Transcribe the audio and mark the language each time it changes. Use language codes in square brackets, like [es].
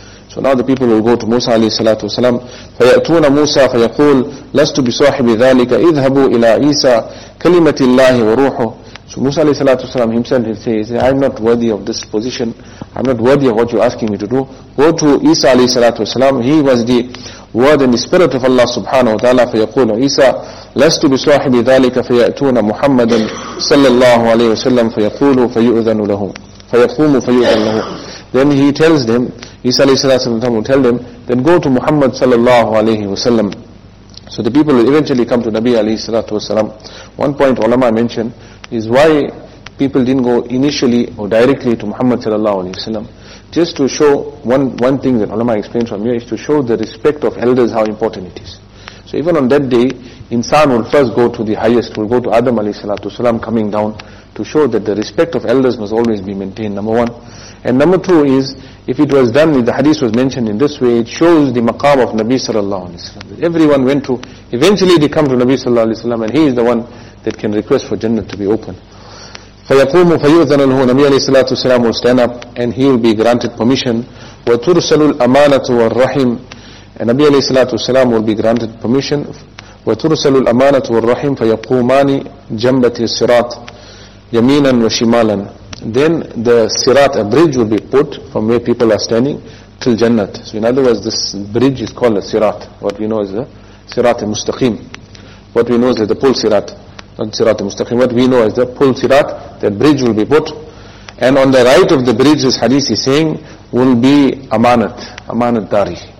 [en] So now the people will go to Musa alayhi salatu wasalam. [ar] فَيَأْتُونَ مُوسَىٰ فَيَقُولُ لَسْتُ بِصَاحِبِ ذَلِكَ اِذْهَبُوا إِلَىٰ عِيسَىٰ كَلِمَةِ اللَّهِ وَرُوحُهُ. [en] So Musa alayhi salatu wasalam himself, he'll say, I'm not worthy of this position. I'm not worthy of what you're asking me to do. Go to Isa alayhi salatu wasalam. He was the word and the spirit of Allah subhanahu wa ta'ala. [ar] فيقول عيسى لست بصاحب ذلك فيأتون محمدا صلى الله عليه وسلم فيقول فيؤذن له فيقوم فيؤذن له. [en] Then he tells them, عيسى عليه السلام will tell them, then go to Muhammad صلى الله عليه وسلم. So the people will eventually come to Nabi عليه السلام. One point ulama mentioned is why people didn't go initially or directly to Muhammad صلى الله عليه وسلم. Just to show one thing that ulama explains from here is to show the respect of elders, how important it is. So even on that day, insan will first go to the highest, will go to Adam alayhi salatu wasalam coming down to show that the respect of elders must always be maintained, number one. And number two is, if it was done, the hadith was mentioned in this way, it shows the maqam of Nabi sallallahu alayhi wasalam. Everyone went to, eventually they come to Nabi sallallahu alayhi wasalam and he is the one that can request for Jannah to be opened. [ar] فيقوم فيؤذن له. [en] نبي عليه الصلاة والسلام will stand up and he will be granted permission. [ar] وترسل الأمانة والرحم. [en] And نبي عليه الصلاة والسلام will be granted permission. [ar] وترسل الأمانة والرحم فيقومان جنبة الصراط يمينا وشمالا. [en] Then the sirat, a bridge will be put from where people are standing till Jannah. So in other words, this bridge is called a sirat. What we know is the sirat al-mustaqim. What we know is the pull sirat. Not sirat al-mustaqim. What we know is the pull sirat. That bridge will be put, and on the right of the bridge, this hadith is saying, will be amanat, amanat dari.